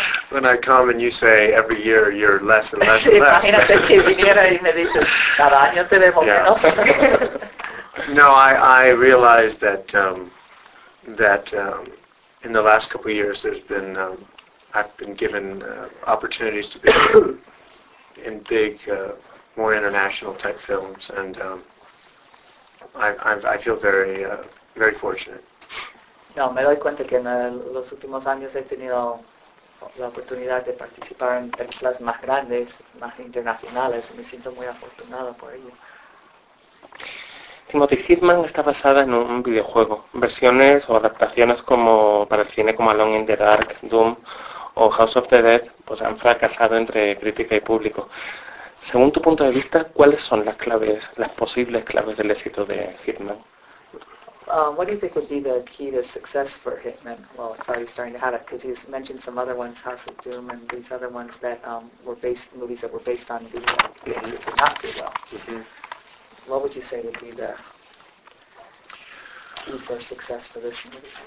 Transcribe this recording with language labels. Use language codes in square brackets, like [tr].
[en] When I come and you say every year you're less and less and less. [es] Imagínate que viniera y me dices, cada año te veo menos. [en] No, I realize that in the last couple of years there's been I've been given opportunities to be in big, more international type films, and I feel very very fortunate. [es] No, me doy cuenta que en los últimos años he tenido la oportunidad de participar en películas más grandes, más internacionales, y me siento muy afortunado por ello. Timothy Hitman está basada en un videojuego. Versiones o adaptaciones como para el cine como Alone in the Dark, Doom, o House of the Dead pues han fracasado entre crítica y público. Según tu punto de vista, ¿cuáles son las claves, las posibles claves del éxito de Hitman? [en] What do you think would be the key to success for Hitman? Well, it's already starting to have it, because you mentioned some other ones, House of Doom and these other ones that were based, movies that were based on video that did not do well. Mm-hmm. What would you say would be the key for success for this movie?